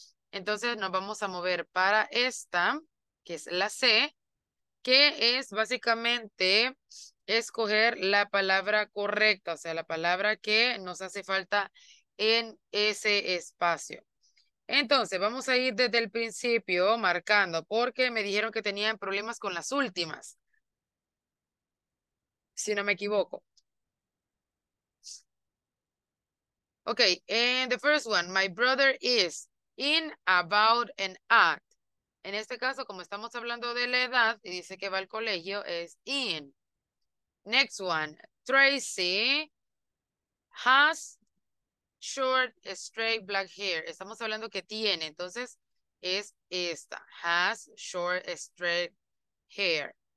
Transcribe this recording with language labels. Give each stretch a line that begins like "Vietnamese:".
Spanish: Entonces nos vamos a mover para esta, que es la C, que es básicamente escoger la palabra correcta, o sea, la palabra que nos hace falta en ese espacio. Entonces, vamos a ir desde el principio marcando, porque me dijeron que tenían problemas con las últimas, si no me equivoco.
English: Ok, and the first one, my brother is in, about, and at.
Spanish: En este caso, como estamos hablando de la edad, y dice que va al colegio, es in.
English: Next one, Tracy has short, straight black hair.
Spanish: Estamos hablando que tiene. Entonces, es esta.
English: Has short, straight hair.